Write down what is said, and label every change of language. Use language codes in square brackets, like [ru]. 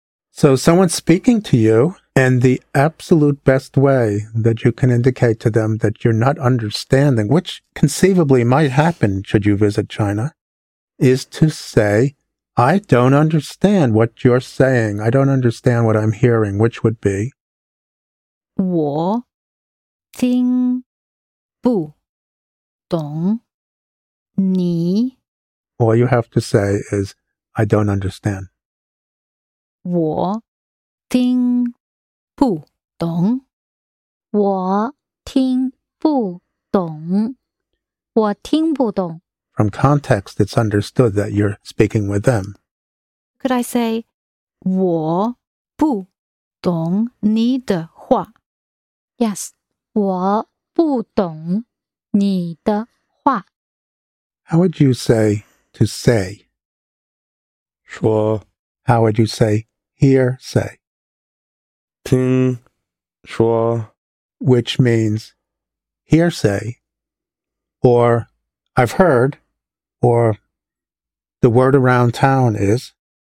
[en] So someone's speaking to you, and the absolute best way that you can indicate to them that you're not understanding, which conceivably might happen should you visit China, is to say, I don't understand what you're saying. I don't understand what I'm hearing, which would be [zh] 我听不懂你 [en] All you have to say is, I don't understand. [zh] 我听不懂我听不懂我听不懂 [en] From context, it's understood that you're speaking with them. Could I say, [zh] 我不懂你的话 [en] Yes, [zh] 我不懂你的话 [en] How would you say to say? [zh] 说 [en] How would you say hear say? [zh] 听说 [en] Which means hearsay, or I've heard, or the word around town is.